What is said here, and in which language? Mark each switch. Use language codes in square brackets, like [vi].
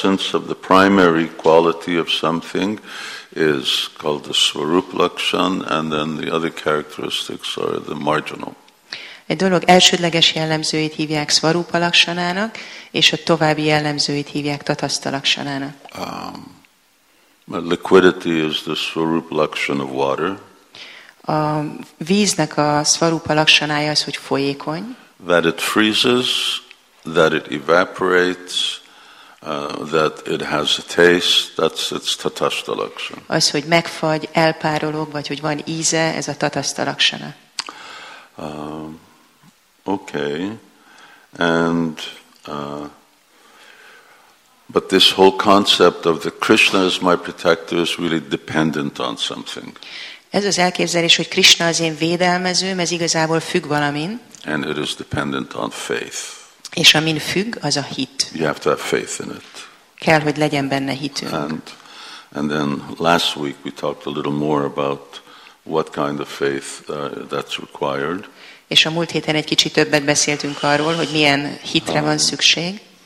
[en] The primary quality of something is called the Svarupa Lakshana, and then the other characteristics are the marginal. [hu] Egy dolog elsődleges jellemzőit hívják Svarupa Lakshanának, és a további jellemzőit hívják Tathasta Lakshanának. [en] Liquidity is the Svarupa Lakshana of water. [hu] A víznek a Svarupa Lakshanája az, hogy folyékony. [en] That it freezes, that it evaporates, that it has a taste, that's its Tathasta Lakshana. [hu] Az, hogy megfagy, elpárolog, vagy hogy van íze, ez a Tathasta Lakshana. [en] Okay, and but this whole concept of the Krishna as my protector is really dependent on something. [hu] Ez az elképzelés, hogy Krishna az én védelmezőm, ez igazából függ valamin. [en] And it is dependent on faith. [hu] És amin függ, az a hit. [en] You have to have faith in it. [hu] Kell, hogy legyen benne hitünk. [en] And then last week we talked a little more about what kind of faith that's required. [hu] És a múlt héten egy kicsit többet beszéltünk arról, hogy milyen hitre van szükség.